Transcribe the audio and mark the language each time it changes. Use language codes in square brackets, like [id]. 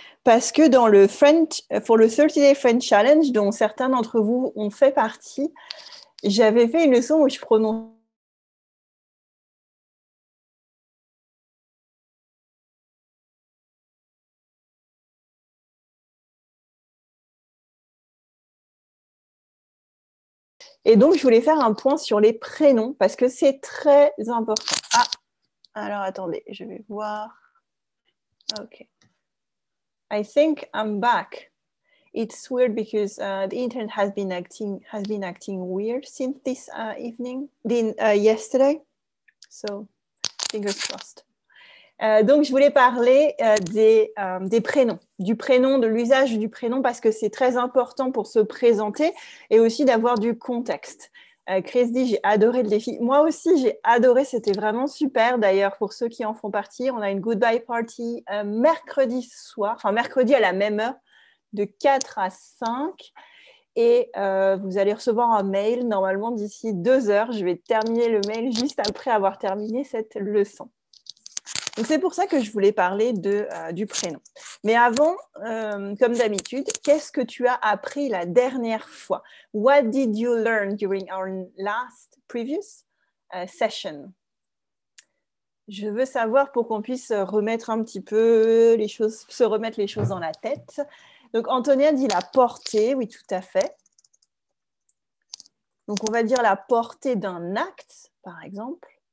[fr] Parce que dans le French, pour le 30-day French Challenge, dont certains d'entre vous ont fait partie, j'avais fait une leçon où je prononçais et donc je voulais faire un point sur les prénoms parce que c'est très important. Ah, alors attendez, je vais voir. [en] Ok. I think I'm back. It's weird because the internet has been acting weird since this evening, yesterday. So, fingers crossed. [fr] Donc, je voulais parler des prénoms, du prénom, de l'usage du prénom, parce que c'est très important pour se présenter et aussi d'avoir du contexte. Chris dit, j'ai adoré le défi. Moi aussi, j'ai adoré. C'était vraiment super. D'ailleurs, pour ceux qui en font partie, on a une [en] goodbye party [fr] mercredi soir, enfin mercredi à la même heure, de 4 à 5. Et vous allez recevoir un mail normalement d'ici 2 heures. Je vais terminer le mail juste après avoir terminé cette leçon. Donc, c'est pour ça que je voulais parler du prénom. Mais avant, comme d'habitude, qu'est-ce que tu as appris la dernière fois? [en] What did you learn during our last previous session? [fr] Je veux savoir pour qu'on puisse remettre un petit peu les choses, se remettre les choses dans la tête. Donc, Antonia dit la portée, oui, tout à fait. Donc, on va dire la portée d'un acte, par exemple.